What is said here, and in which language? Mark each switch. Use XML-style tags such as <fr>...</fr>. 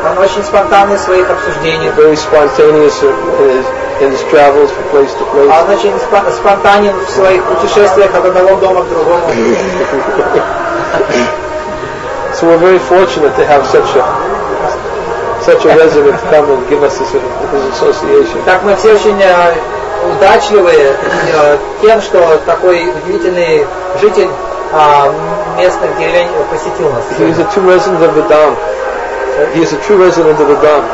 <ru>Он очень спонтанный в своих обсуждениях.</ru> <en>Very spontaneous in his travels from place to place.</en> <ru>Он очень спонтанен в своих путешествиях от одного дома к другому.</ru> <en>So we're very fortunate to have such a resident come and give us this association.</en> <ru>Так мы все очень удачливые тем, что такой удивительный житель местных деревень посетил нас.</ru> <en>He is a true resident of the Dham. He is a true resident of the Dham.</en>